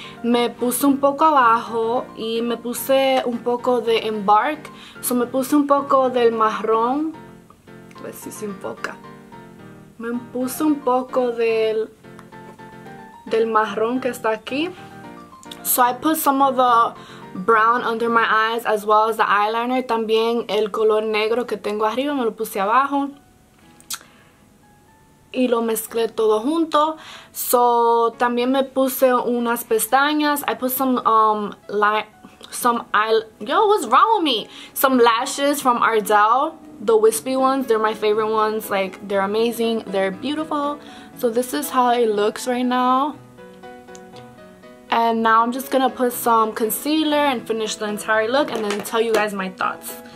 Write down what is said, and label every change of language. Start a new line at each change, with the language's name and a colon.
Spanish: Me puse un poco abajo y me puse un poco de Embark. So me puse un poco del marrón. A ver si se enfoca. Me puse un poco del marrón que está aquí.
English: So I put some of the brown under my eyes as well as the eyeliner.
Spanish: También el color negro que tengo arriba me lo puse abajo y lo mezclé todo junto. So también me puse unas pestañas.
English: I put some lashes from Ardell, the wispy ones. They're my favorite ones. Like, they're amazing, they're beautiful. So this is how it looks right now. And now I'm just gonna put some concealer and finish the entire look and then tell you guys my thoughts.